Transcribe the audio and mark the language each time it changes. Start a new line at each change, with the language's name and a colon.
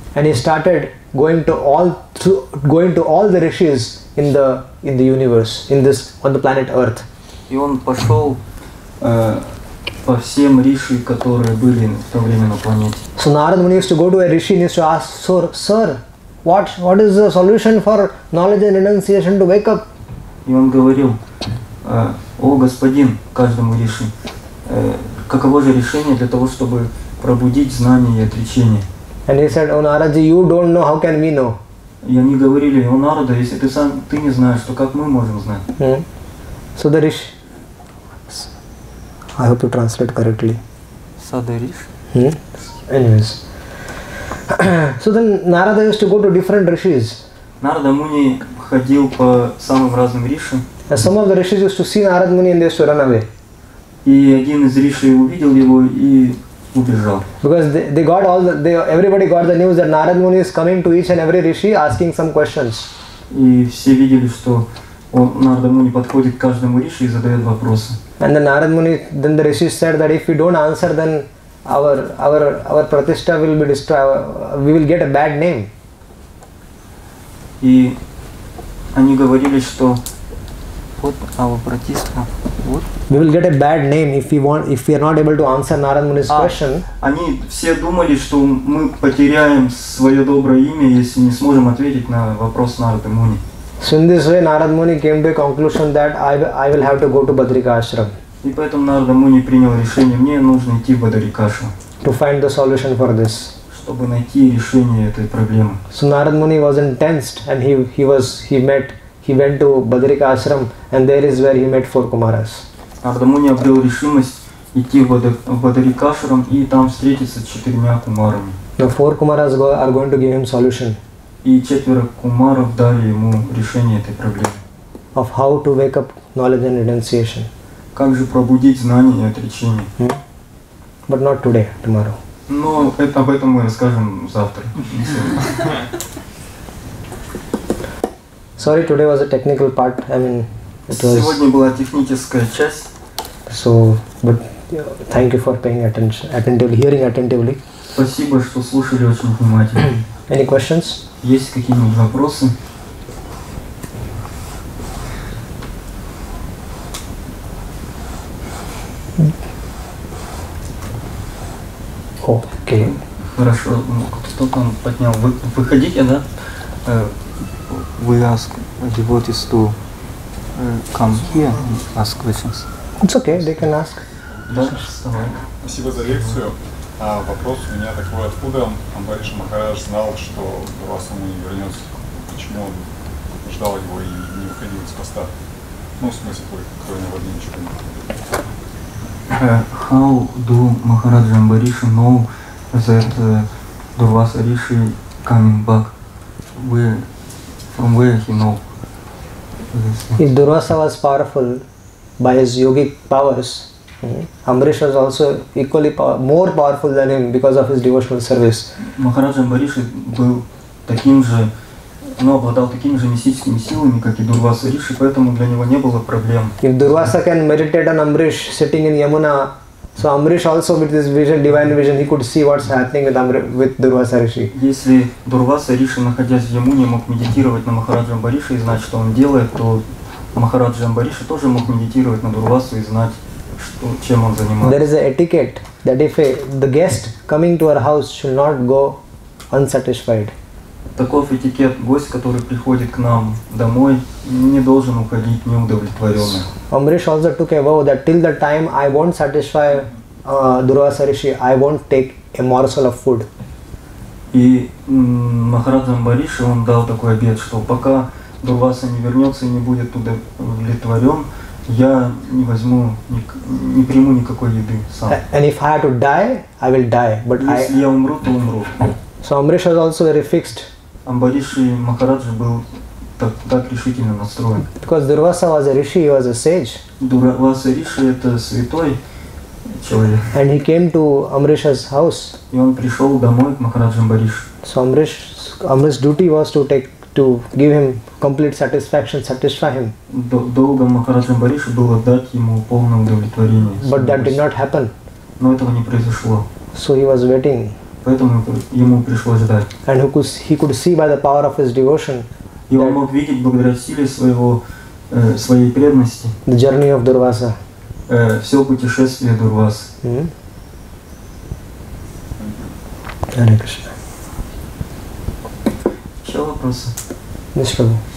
English: And he started going to all the rishis in the universe, on the planet Earth.
Russian: И он пошел по всем риши, которые были в то время на планете.
English: So Narada Muni used to go to a rishi and used to ask, sir. What is the solution for knowledge and renunciation to wake up?
Russian: И он говорил, о господин, каждому риши, каково же решение для того, чтобы пробудить знание и отречение?
English: And he said, O Narada, you don't know, how can we know?
Russian: И они говорили, о Нарада, если ты сам, ты не знаешь, то как мы можем знать?
English: So the rishi. I hope you translate correctly. So the rishi. Anyways. So then Narada used to go to different rishis.
Russian: Narada Muni ходил по самым разным ришам.
English: And some of the rishis used to see Narada Muni and they used to run away.
Russian: И один из риши увидел его и убежал.
English: Because they got all the, they, everybody got the news that Narada Muni is coming to each and every rishi asking some questions.
Russian: И все видели, что Narada Muni подходит к каждому риши и задает вопросы.
English: And then Narada Muni, then the rishis said that if we don't answer, then our pratishtha will be destroyed, we will get a bad name.
Russian: И они говорили, что вот
English: our pratishtha,
Russian: вот
English: we will get a bad name if we are not able to answer Narada Muni's question.
Russian: Они все думали, что мы потеряем свое доброе имя, если не сможем ответить на вопрос Нарады Муни.
English: So in this way Narada Muni came to a conclusion that I will have to go to Badrika Ashram.
Russian: И поэтому Нарада Муни принял решение, мне нужно идти в Бадрикашу.
English: To find the solution for this.
Russian: Чтобы найти решение этой проблемы.
English: So Narada Muni was intensed and he went to Бадрикашрам and there is where he met four Kumaras.
Russian: Нарада Муни обрел решимость идти в Адарикашрам и там встретиться с четырьмя кумарами.
English: The four kumaras are going to give him solution.
Russian: И четверо кумаров дали ему решение этой проблемы.
English: Of how to wake up knowledge and renunciation.
Russian: Как же пробудить знание и отречение?
English: Hmm? But not today, tomorrow.
Russian: Но это, об этом мы расскажем завтра.
English: Sorry, today was a technical part. I mean, it was.
Russian: Сегодня была техническая часть.
English: So, but thank you for paying attention, attentively, hearing attentively.
Russian: Спасибо, что слушали очень внимательно.
English: Any questions?
Russian: Есть какие-нибудь вопросы? Окей. Хорошо. Ну, кто там поднял? Выходите, да?
English: We ask devotees to come here and ask questions. It's okay, they can ask.
Russian: Да. Спасибо за лекцию. Вопрос у меня такой, откуда Амбариш Махарадж знал, что раз он не вернется, почему он ждал его и не выходил из поста? Ну, в смысле, кроме водничка.
English: How do Maharaj Ambarisha know that Durvasa Rishi coming back? Where, from where he know? If Durvasa was powerful by his yogic powers, Ambarisha was also equally more powerful than him because of his devotional service.
Russian: Maharaj Ambarisha был таким же, но обладал такими же мистическими силами, как и Дурваса Риши, поэтому для него не было проблем.
English: If Durvasa can meditate on Amrish sitting in Yamuna, so Amrish also with this vision, divine vision, he could see what's happening with Durvasa Риши.
Russian: Если Дурваса Риши, находясь в Ямуне, мог медитировать на Махараджа Амбариша и знать, что он делает, то Махараджа Амбариша тоже мог медитировать на Дурвасу и знать, что, чем он занимается.
English: There is an etiquette that if the guest coming to our house should not go unsatisfied.
Russian: Таков этикет, гость, который приходит к нам домой, не должен уходить неудовлетворенным.
English: Amrish also took a vow that till the time I won't satisfy Durvasa Rishi, I won't take a morsel of food.
Russian: И Махараджа Амбариша, он дал такой обет, что пока Дурваса не вернется и не будет удовлетворен, я не возьму, не приму никакой еды сам.
English: And if I have to die, I will die. But
Russian: если я умру, то умру.
English: So Amrish was also very fixed.
Russian: Амбариши Махараджи был так решительно настроен.
English: Because Durvasa was a rishi, he was a sage.
Russian: Durvasa Риши – это святой человек.
English: And he came to Amrish's house.
Russian: И он пришел домой к Махараджи Амбариши.
English: So Amrish's duty was to take, to give him complete satisfaction, satisfy him.
Russian: Долго Махараджи Амбариши было дать ему полное удовлетворение.
English: But that did not happen.
Russian: Но этого не произошло.
English: So he was waiting.
Russian: Поэтому ему пришлось ждать.
English: And he could see by the power of his devotion.
Russian: И он мог видеть благодаря силе своего, своей преданности.
English: The journey of Durvasa.
Russian: Все путешествие Дурвасы. Хари Кришна. Еще вопросы? Ничего.